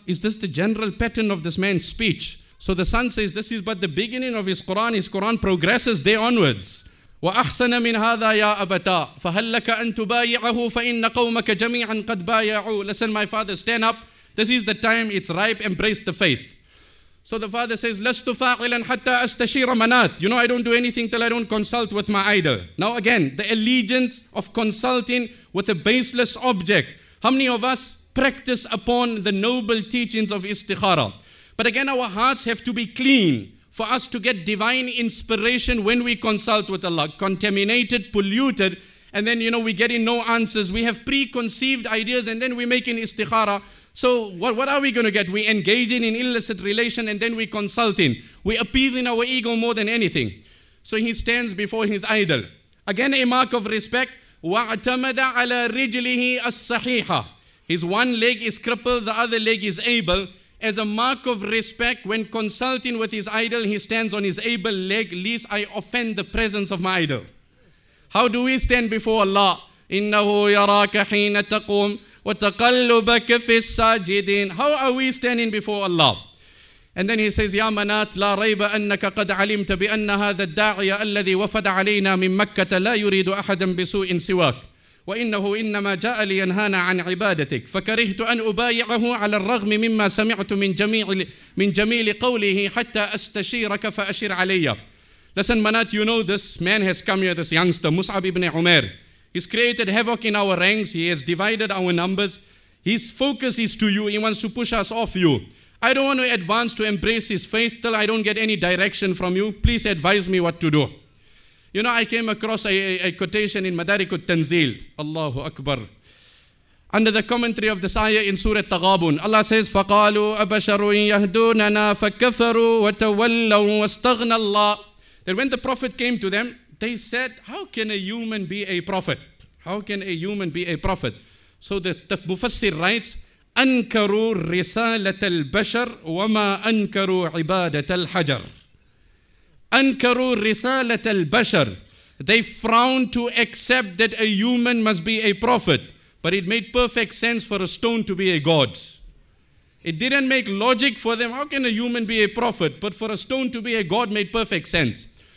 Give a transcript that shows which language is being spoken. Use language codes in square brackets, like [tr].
[en] is this the general pattern of this man's speech? So the son says, this is but the beginning of his Quran progresses day onwards. [ar] وَأَحْسَنَ مِنْ هَذَا يَا أَبَتَا فَهَلَّكَ أَن تُبَايِعَهُ فَإِنَّ قَوْمَكَ جَمِيعًا قَدْ بَايَعُوا. [en] Listen, my father, stand up. This is the time, it's ripe, embrace the faith. So the father says, [ar] لَسْتُ فَاعِلًا حَتَّى أَسْتَشِيرَ مَنَاتٍ. [en] You know, I don't do anything till I don't consult with my idol. Now again, the allegiance of consulting with a baseless object. How many of us practice upon the noble teachings of istikhara? But again, our hearts have to be clean for us to get divine inspiration when we consult with Allah. Contaminated, polluted, and then, you know, we're getting no answers. We have preconceived ideas and then we're making istikhara. So what are we going to get? We're engaging in illicit relation and then we're consulting. We're appeasing our ego more than anything. So he stands before his idol. Again, a mark of respect. [ar] وَاَعْتَمَدَ عَلَى رِجْلِهِ الصَّحِيحَ. [en] His one leg is crippled, the other leg is able. As a mark of respect, when consulting with his idol, he stands on his able leg, lest I offend the presence of my idol. How do we stand before Allah? [ar] إِنَّهُ يَرَاكَ حِينَ تَقُومْ وَتَقَلُّبَكَ فِي السَّاجِدِينَ. [en] How are we standing before Allah? And then he says, [ar] يَا مَنَاتْ لَا رَيْبَ أَنَّكَ قَدْ عَلِمْتَ بِأَنَّ هَذَا الدَّاعِيَ الَّذِي وَفَدَ عَلَيْنَا مِنْ مَكَّةَ لَا يُرِيدُ أَحَدًا بِسُوءٍ سِوَاكَ. وإنه إنما جاء لينهانا عن عبادتك فكرهت أن أبايعه على الرغم مما سمعت من جميل قوله حتى أستشيرك فأشير علي. [en] Listen, Manat, you know this man has come here, this youngster, Mus'ab ibn Umair. He's created havoc in our ranks. He has divided our numbers. His focus is to you. He wants to push us off you. I don't want to advance to embrace his faith till I don't get any direction from you. Please advise me what to do. You know, I came across a quotation in Madarik al-Tanzil. Allahu Akbar. Under the commentary of this ayah in Surah Taghabun, Allah says, [ar] فَقَالُوا أَبَشَرٌ يَهْدُونَنَا فَكَفَرُوا وَتَوَلَّوا وَاسْتَغْنَ اللَّهِ. [en] Then when the Prophet came to them, they said, how can a human be a prophet? How can a human be a prophet? So the Mufassir writes, [ar] أَنْكَرُوا رِسَالَةَ الْبَشَرُ وَمَا أَنْكَرُوا عِبَادَةَ الْحَجَرُ. أَنْكَرُوا رِسَالَةَ الْبَشَرِ. [en] They frowned to accept that a human must be a prophet. But it made perfect sense for a stone to be a god. It didn't make logic for them. How can a human be a prophet? But for a stone to be a god made perfect sense.